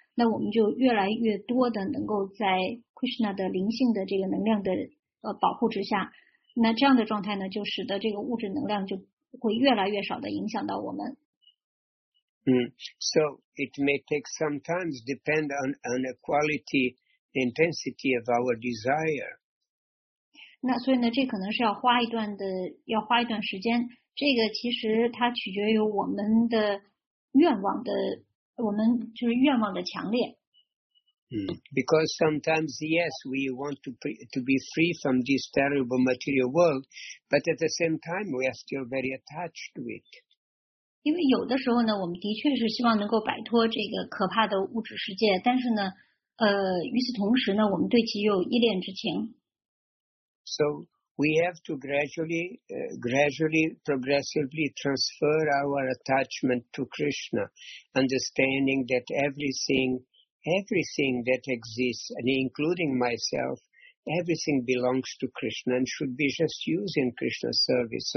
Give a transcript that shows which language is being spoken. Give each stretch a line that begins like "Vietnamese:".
Chinese: 那我们就越来越多的能够在 Krishna 的灵性的这个能量的保护之下，那这样的状态呢，就使得这个物质能量就会越来越少的影响到我们。
English: So it may take some time, depend on the quality intensity of our desire.
Chinese: 那所以呢，这可能是要花一段的，要花一段时间。这个其实它取决于我们的愿望的，我们就是愿望的强烈。
English: Because sometimes, yes, we want to be free from this terrible material world, but at the same time, we are still very attached to it.
Chinese: 因为有的时候呢，我们的确是希望能够摆脱这个可怕的物质世界，但是呢，与此同时呢，我们对其又有依恋之情。
English: So we have to gradually, progressively transfer our attachment to Krishna, understanding that everything that exists, and including myself, everything belongs to Krishna and should be just used in Krishna's service.